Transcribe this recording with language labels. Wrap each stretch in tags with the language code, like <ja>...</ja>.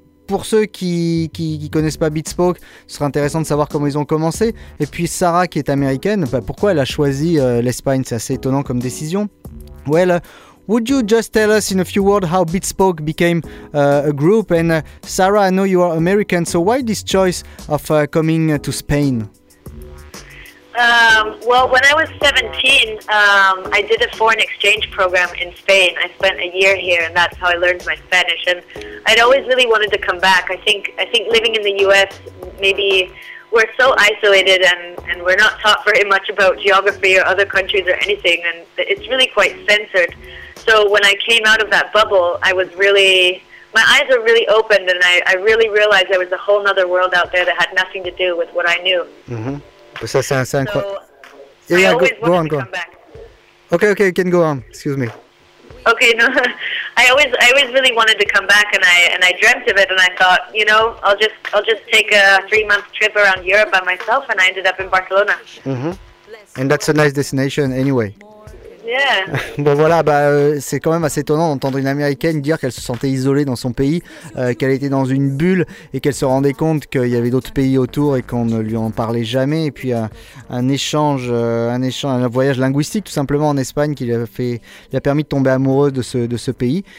<fr>pour ceux qui connaissent pas Beatspoke, ce serait intéressant de savoir comment ils ont commencé. Et puis Sarah, qui est américaine, bah, pourquoi elle a choisi l'Espagne? C'est assez étonnant comme décision.</fr> <en>Well, would you just tell us in a few words how Beatspoke became a group? And Sarah, I know you are American, so why this choice of coming to Spain? Well, when I was 17, I did a foreign exchange program in Spain. I spent a year here, and that's how I learned my Spanish. And I'd always really wanted to come back. I think living in the U.S., maybe we're so isolated, and we're not taught very much about geography or other countries or anything, and it's really quite censored. So when I came out of that bubble, I was really, my eyes were really opened, and I really realized there was a whole other world out there that had nothing to do with what I knew.</en> <fr>Mm-hmm. Ça, c'est un, c'est incroyable.</fr> <en>So, yeah, go on. Okay, you can go on. Excuse me. Okay, no, I always really wanted to come back, and I dreamt of it, and I thought, you know, I'll just take a 3-month trip around Europe by myself, and I ended up in Barcelona. Mm-hmm. And that's a nice destination, anyway. Yeah.</en> <fr>Bon voilà, bah, c'est quand même assez étonnant d'entendre une Américaine dire qu'elle se sentait isolée dans son pays, qu'elle était dans une bulle et qu'elle se rendait compte qu'il y avait d'autres pays autour et qu'on ne lui en parlait jamais. Et puis un échange, un voyage linguistique tout simplement en Espagne qui lui a permis de tomber amoureuse de ce pays.</fr>